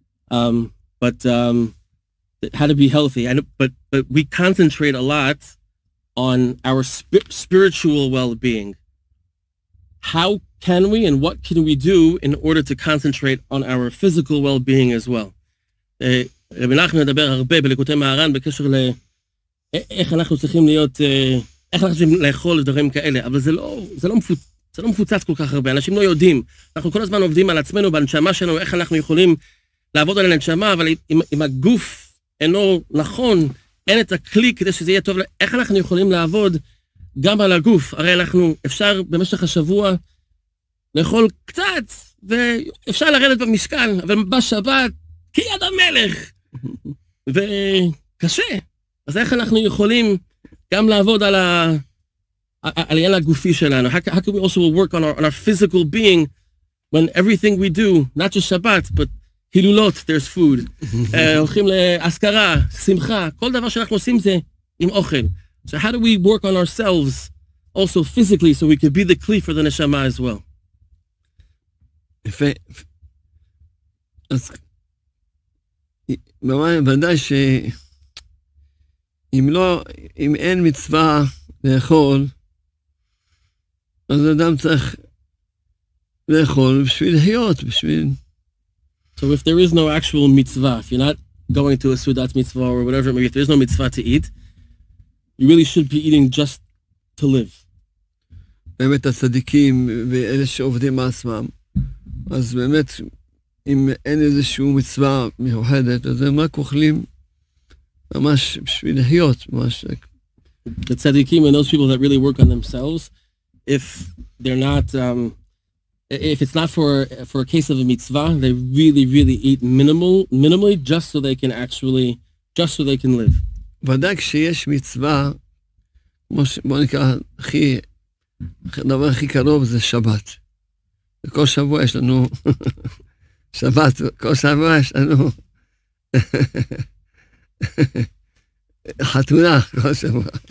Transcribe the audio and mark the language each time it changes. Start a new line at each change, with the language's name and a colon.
English: How to be healthy? But we concentrate a lot on our spiritual well-being. How can we and what can we do in order to concentrate on our physical well-being as well?
Hebrew: Rabbi Nachman מדבר הרבה בלקוטי מהר"ן בקשר ל איך אנחנו צריכים להיות איך אנחנו צריכים לאכול דברים כאלה, אבל זה לא מפוצץ כל כך הרבה. אנשים לא יודעים, אנחנו כל הזמן עובדים על עצמנו, בנשמה שלנו, איך אנחנו יכולים לעבוד על הנשמה, אבל אם הגוף אינו נכון, אין את הכלי כדי שזה יהיה טוב, איך אנחנו יכולים לעבוד גם על הגוף? הרי אנחנו אפשר במשך השבוע לאכול קצת ואפשר לרדת במשקל, אבל בשבת כי יד המלך, וקשה. אז איך אנחנו יכולים גם לעבוד על העניין הגופי שלנו?
English: How can we also work on our physical being when everything we do, not just Shabbat, but הילולות, there's food,
Hebrew: הולכים להשכרה, שמחה, כל דבר שאנחנו עושים זה עם אוכל.
English: So how do we work on ourselves also physically so we can be the kli for the neshama as well?
Hebrew: יפה. אז ודאי שאם אין מצווה לאכול, אז אדם צריך לאכול בשביל להיות, בשביל...
English: So if there is no actual mitzvah, if you're not going to a sudat mitzvah or whatever, maybe if there is no mitzvah to eat, you really should be eating just to live.
Hebrew: באמת הצדיקים ואלה שעובדים עצמם, אז באמת... אם אין איזשהו מצווה מיוחדת, אז הם רק אוכלים ממש בשביל להיות, ממש.
English: The tzaddikim and those people that really work on themselves, if they're not, if it's not for a case of a mitzvah, they really, really eat minimally, just so they can live.
Hebrew: ודאי כשיש מצווה, כמו שבוא נקרא, הדבר הכי קרוב זה שבת. וכל שבוע יש לנו... שבת, כל שבוע יש לנו חתונה כל שבוע.